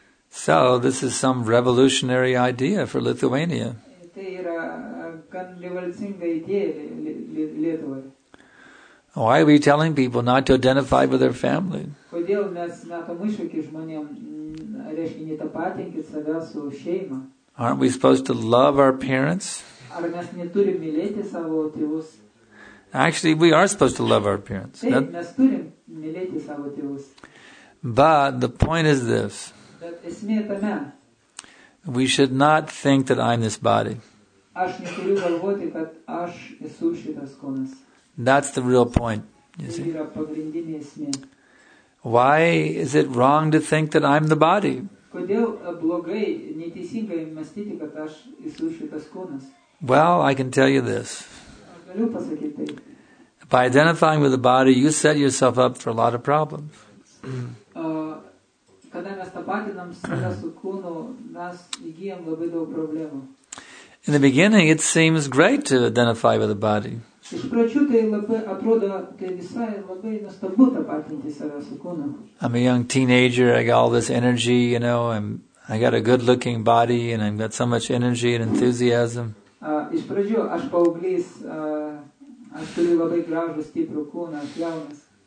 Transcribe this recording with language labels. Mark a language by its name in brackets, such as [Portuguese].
[English] So, this is some revolutionary idea for Lithuania. Why are we telling people not to identify with their family? [Lithuanian] Kodėl mes metam iššūkį žmonėm, reiškia, netapatinkit save su šeima? [English] Aren't we supposed to love our parents? [Lithuanian] Ar mes neturim mylėti savo tėvus? [English] Actually, we are supposed to love our parents. [Lithuanian] Mes turim mylėti savo tėvus. [English] But the point is this. [Lithuanian] Bet esmė tame. [English] We should not think that I'm this body. [Lithuanian] Aš neturiu galvoti, kad aš esu šitas kūnas. [English] That's the real point, you see. [Lithuanian] Yra pagrindinė esmė. [English] Why is it wrong to think that I'm the body? [Lithuanian] Kodėl blogai, neteisingai mąstyti, kad aš esu šitas kūnas? [English] Well, I can tell you this. [Lithuanian] Galiu pasakyti. [English] By identifying with the body, you set yourself up for a lot of problems. [Lithuanian] kada mes tapatinam save su kūnu, mes įgyjam labai daug problemų. [English] In the beginning it seems great to identify with the body. [Lithuanian] Iš pradžių tai labai atrodo, tai visai labai nuostabu tapatinti save su kūnu. [English] I'm a young teenager, I got all this energy, you know, I got a good-looking body and I've got so much energy and enthusiasm. [Lithuanian] Iš pradžių aš paauglys, aš turiu labai gražų stiprų kūną, aš jaunas.